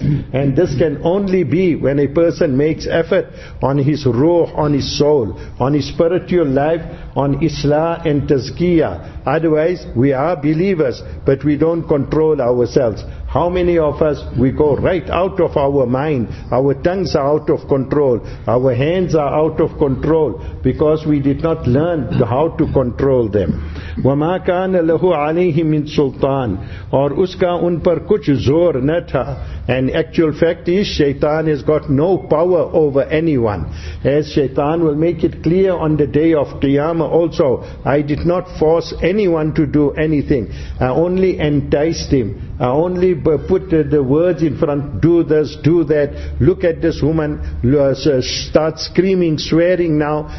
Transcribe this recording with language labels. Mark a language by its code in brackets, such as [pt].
[en] And this can only be when a person makes effort on his ruh, on his soul, on his spiritual life, on islah and tazkiyah. Otherwise, we are believers, but we don't control ourselves. How many of us, we go right out of our mind, our tongues are out of control, our hands are out of control, because we did not learn how to control them. [ar] وَمَا كَانَ لَهُ عَلَيْهِ مِنْ سُلْطَانِ [ur] اور اس کا ان پر کچھ زور نہ تھا. [en] And actual fact is, Shaitan has got no power over anyone. As Shaitan will make it clear on the day of Qiyamah also, I did not force anyone to do anything. I only enticed him. I only put the words in front, do this, do that. Look at this woman, start screaming, swearing now.